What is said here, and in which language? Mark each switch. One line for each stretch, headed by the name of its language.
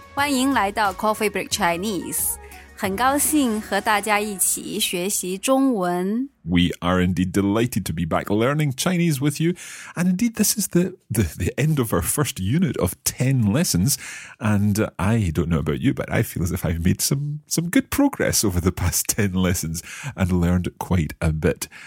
Chinese: 欢迎来到 Coffee Break Chinese. 很高兴和大家一起学习中文。
English: We are indeed delighted to be back learning Chinese with you. And indeed, this is the end of our first unit of 10 lessons. And I don't know about you, but I feel as if I've made some good progress over the past 10 lessons and learned quite a bit.